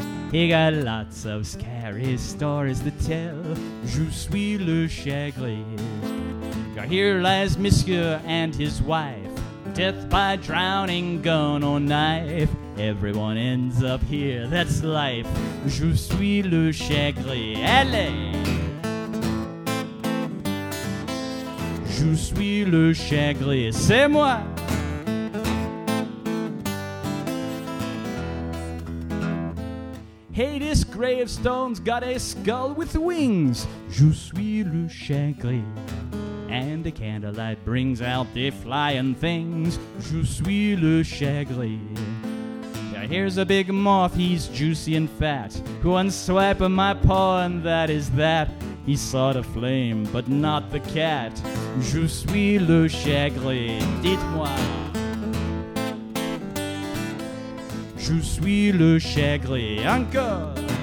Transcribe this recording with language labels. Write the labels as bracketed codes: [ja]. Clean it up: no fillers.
[en] He got lots of scary stories to tell. [fr] Je suis le chat gris. [en] Here lies Monsieur and his wife. death by drowning, gun or knife. Everyone ends up here, that's life. [fr] Je suis le chagrin, allez. Je suis le chagrin, c'est moi. [en] Hey, this gravestone's got a skull with wings. [fr] Je suis le chagrin. [en] And a candlelight brings out the flying things. [fr] Je suis le chagrin. [en] Now here's a big moth, he's juicy and fat. Who unswiped my paw and that is that. He saw the flame, but not the cat. [fr] Je suis le chagrin, dites-moi. Je suis le chagrin, encore.